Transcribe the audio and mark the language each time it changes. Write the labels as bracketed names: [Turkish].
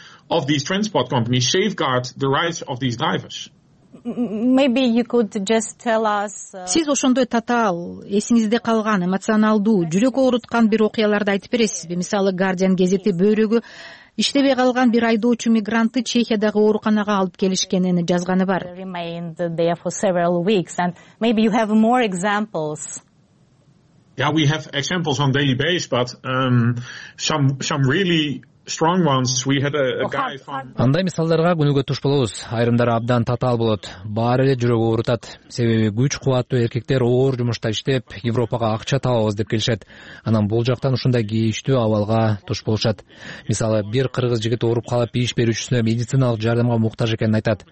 [English] Of these transport companies safeguard the rights of these drivers. Maybe you could just tell us. [Kyrgyz] Сиз ошондой татаал, эсиңизде калган, эмоционалдуу, жүрөк ооруткан бир окуяларды айтып бересизби? Мисалы, Guardian гезити бөлүгү иштебей калган бир айдоочу мигрантты Чехиядагы ооруканага алып келишкенин жазганы бар. [English] Remained there for several weeks and maybe you have more examples. Yeah, we have examples on daily basis, but some really strong ones. We had a guy from [Kyrgyz] андай мисалдарга күнүгө туш болобуз. Айрымдары абдан татаал болот, баары эле жүрөк оорутат. Себеби күч кубаттуу эркектер оор жумушта иштеп, Европага акча табабыз деп келишет. Анан бул жактан ушундай кийиштүү абалга туш болушат. Мисалы, бир кыргыз жигит ооруп калып, иш берүүчүсүнө медициналык жардамга муктаж экенин айтат.